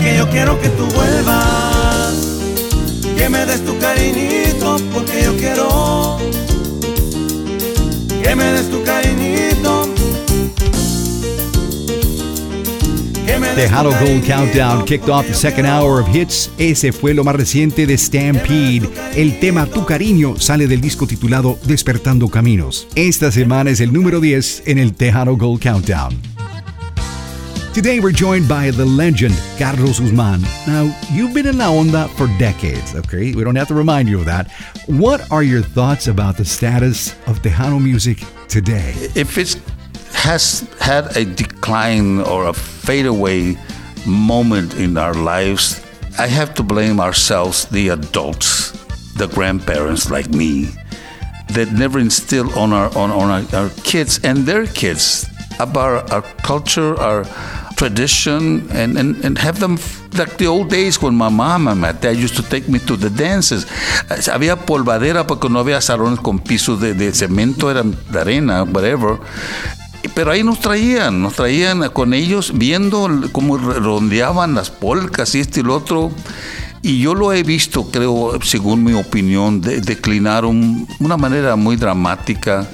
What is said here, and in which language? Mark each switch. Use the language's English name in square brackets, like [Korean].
[Spanish] Quiero que tú vuelvas, que me des tu cariñito, porque yo quiero que me des tu cariñito. [English] Tejano Gold Countdown kicked off the second hour of hits. [Spanish] Ese fue lo más reciente de Stampede. El tema Tu Cariño sale del disco titulado Despertando Caminos. Esta semana es el número 10 en el Tejano Gold Countdown. [English] Today we're joined by the legend, Carlos Guzman. Now, you've been in La Onda for decades, okay? We don't have to remind you of that. What are your thoughts about the status of Tejano music today? If it has had a decline or a fadeaway moment in our lives, I have to blame ourselves, the adults, the grandparents like me, that never instilled on our kids and their kids about our culture, our tradition, and have them like the old days when my mom and my dad used to take me to the dances. [Spanish] Había polvadera porque no había salones con piso de cemento, era de arena, whatever. Pero ahí nos traían con ellos viendo cómo rondeaban las polcas y este y lo otro. Y yo lo he visto, creo, según mi opinión, declinar una manera muy dramática.